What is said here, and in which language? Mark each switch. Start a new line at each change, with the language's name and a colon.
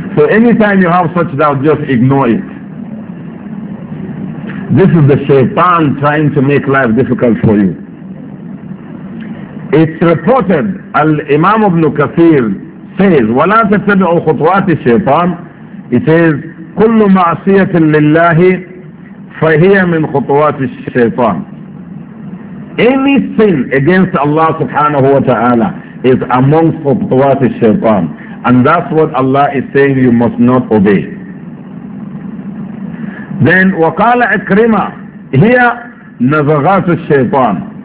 English: So anytime you have such doubt, just ignore it. This is the shaitan trying to make life difficult for you. It's reported, Al-Imam Ibn Kathir says,
Arabic: وَلَا تَتَّبِعُوا خُطْوَاتِ الشَّيْطَانِ.
English: It says,
Arabic: كُلُّ مَعْصِيَةٍ لِلَّهِ فَهِيَ مِنْ خُطْوَاتِ الشَّيْطَانِ.
English: Any sin against Allah subhanahu wa ta'ala is amongst
Arabic: خُطْوَاتِ الشَّيْطَانِ.
English: And that's what Allah is saying you must not obey. Then,
Arabic: وَقَالَ إِكْرِمَةٍ هِيَ نَزَغَاتُ الشَّيْطَانِ.